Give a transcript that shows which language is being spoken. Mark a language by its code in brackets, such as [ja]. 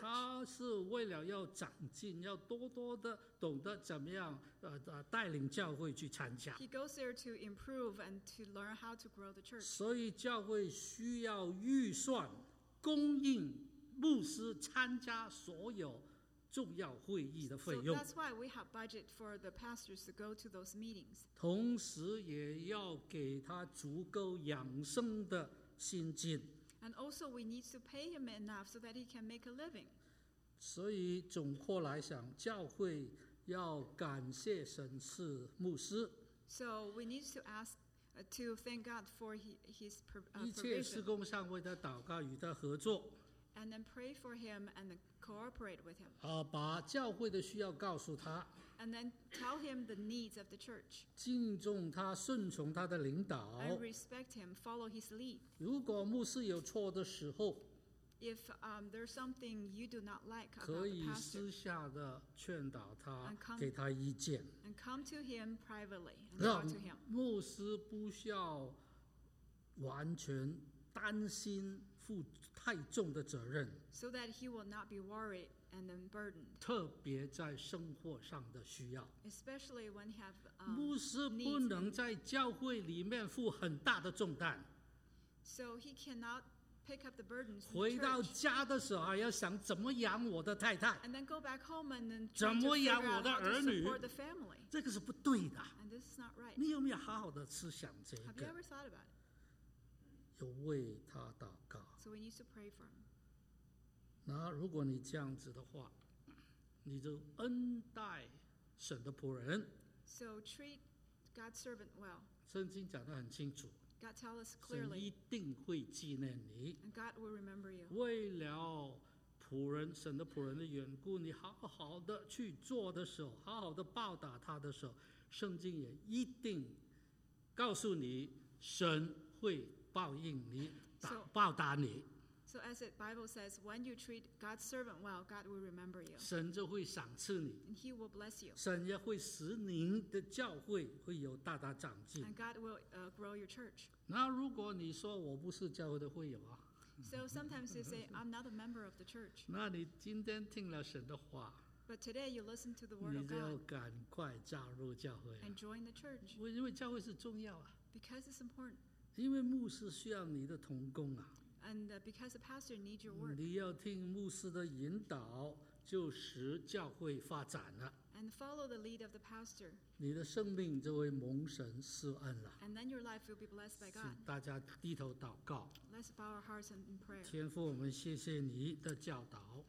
[zh] 他是为了要长进，要多多的懂得怎么样带领教会去参加。 [en] He goes there to improve and to learn how to grow the church. [zh] 所以教会需要预算供应。牧师参加所有重要会议的费用。 [en] So that's why we have budget for the pastors to go to those meetings. [zh] 同时也要给他足够养生的薪金。 [en] And also we need to pay him enough so that he can make a living. [zh] 所以总括来想，教会要感谢神赐牧师。 [en] So we need to ask to thank God for his provision. [zh] 一切事工上为他祷告，与他合作。 [en] And then pray for him and cooperate with him. [zh] 好，把教会的需要告诉他。 [en] And then tell him the needs of the church. [zh] 敬重他，顺从他的领导。 [en] And respect him, follow his lead. [zh] 如果牧师有错的时候 [en] ，If there's something you do not like about the pastor, [zh] 可以私下的劝导他，给他意见。 [en] And come to him privately and talk to him. [zh] 牧师不需要完全担心。负太重的责任 [en] ，so that he will not be worried and then burdened. [zh] 特别在生活上的需要 [en] ，especially when he have needs. [zh] 牧师不能在教会里面负很大的重担 [en] ，so he cannot pick up the burdens. [zh] 回到家的时候啊, 要想怎么养我的太太, [en] and then go back home and then [zh] 怎么养我的儿女, [en] to support the family. [zh] 这个是不对的, [en] and this is not right. [zh] 你有没有好好的思想这个? [en] Have you ever thought about it? [zh] 有为他祷告, [en] so we need to pray for him. [zh] 那如果你这样子的话, 你就恩待神的仆人, [en] so treat God's servant well. [zh] 圣经讲得很清楚, [en] God tell us clearly. [zh] 神一定会纪念你, [en] and God will remember you. [zh] 为了仆人, 神的仆人的缘故, 你好好的去做的时候, 好好的报答他的时候, 圣经也一定告诉你, 神会报应你, 报答你。 [en] So as the Bible says, when you treat God's servant well, God will remember you. [zh] 神就会赏赐你, [en] and he will bless you. [zh] 神也会使您的教会会有大大长进, [en] and God will grow your church. [zh] 那如果你说我不是教会的会友啊, [en] so sometimes you say, I'm not a member of the church. [zh] 那你今天听了神的话, [en] but today you listen to the word of God. [zh] 你就要赶快加入教会啊, [en] and join the church. [zh] 因为教会是重要啊, [en] because it's important. [zh] 因为牧师需要你的同工啊, [en] and because the pastor needs your work. [zh] 你要听牧师的引导, 就使教会发展了, [en] and follow the lead of the pastor. [zh] 你的生命就会蒙神施恩了, [en] and then your life will be blessed by God. [zh] 请大家低头祷告, [en] let's bow our hearts in prayer. [zh] 天父, 我们谢谢你的教导。